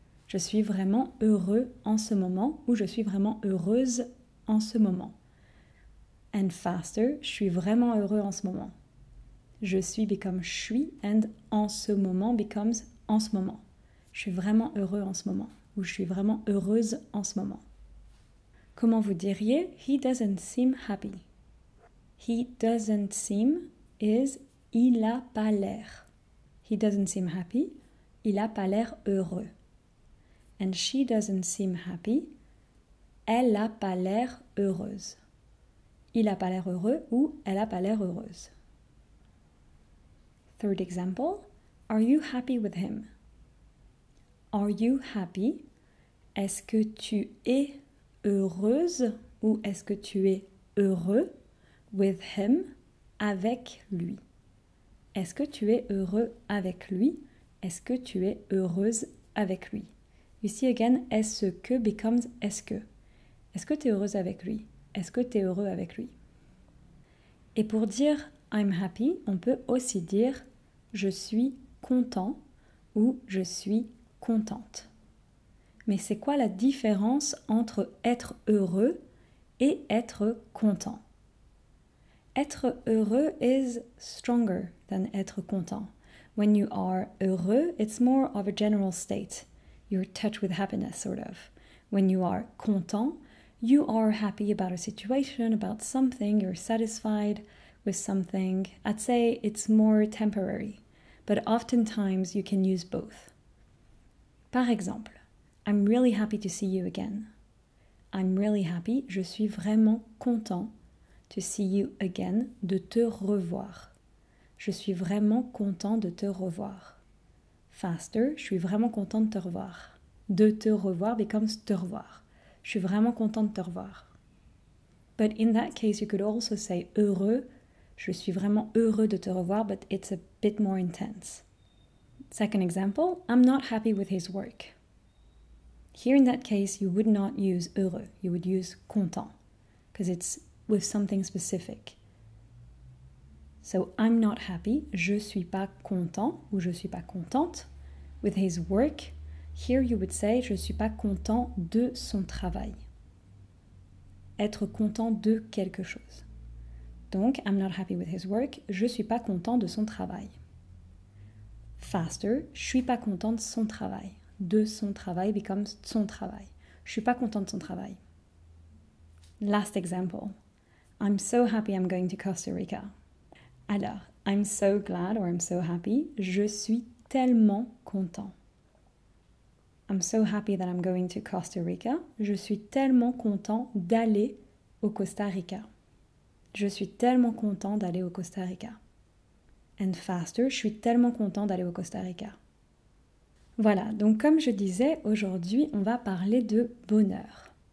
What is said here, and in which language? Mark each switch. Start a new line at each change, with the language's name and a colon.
French: Je suis vraiment heureux en ce moment ou je suis vraiment heureuse en ce moment.
English: And faster,
French: je suis vraiment heureux en ce moment. Je suis
English: become
French: je suis
English: and
French: en ce moment
English: becomes
French: en ce moment. Je suis vraiment heureux en ce moment ou je suis vraiment heureuse en ce moment. Comment vous diriez
English: he doesn't seem happy? He doesn't seem is
French: il a pas l'air.
English: He doesn't seem happy.
French: Il a pas l'air heureux.
English: And she doesn't seem happy.
French: Elle a pas l'air heureuse. Il a pas l'air heureux ou elle a pas l'air heureuse.
English: Third example. Are you happy with him? Are you happy?
French: Est-ce que tu es heureuse ou est-ce que tu es heureux?
English: With him,
French: avec lui. Est-ce que tu es heureux avec lui? Est-ce que tu es heureuse avec lui?
English: You see again,
French: est-ce que
English: becomes
French: est-ce que. Est-ce que tu es heureuse avec lui? Est-ce que tu es heureux avec lui? Et pour dire
English: I'm happy,
French: on peut aussi dire je suis content ou je suis contente. Mais c'est quoi la différence entre être heureux et être content? Être heureux
English: is stronger than
French: être content.
English: When you are heureux, it's more of a general state. You're touched with happiness, sort of. When you are content, you are happy about a situation, about something, you're satisfied with something. I'd say it's more temporary, but oftentimes you can use both.
French: Par exemple,
English: I'm really happy to see you again. I'm really happy,
French: je suis vraiment content.
English: To see you again,
French: de te revoir. Je suis vraiment content de te revoir.
English: Faster,
French: je suis vraiment content de te revoir. De te revoir
English: becomes
French: te revoir. Je suis vraiment content de te revoir. But in that case, you could also say heureux. Je suis vraiment heureux de te revoir, but it's a bit more intense.
English: Second example, I'm not happy with his work. Here in that case, you would not use heureux. You would use content. Because it's with something specific. So I'm not happy,
French: je suis pas content ou je suis pas contente
English: with his work. Here you would say
French: je suis pas content de son travail. Être content de quelque chose. Donc
English: I'm not happy with his work,
French: je suis pas content de son travail.
English: Faster,
French: je suis pas content de son travail. De son travail
English: becomes
French: son travail. Je suis pas content de son travail.
English: Last example. I'm so happy I'm going to Costa Rica.
French: Alors,
English: I'm so glad or I'm so happy.
French: Je suis tellement content.
English: I'm so happy that I'm going to Costa Rica.
French: Je suis tellement content d'aller au Costa Rica. Je suis tellement content d'aller au Costa Rica.
English: And faster,
French: je suis tellement content d'aller au Costa Rica. Voilà, donc comme je disais, aujourd'hui, on va parler de bonheur.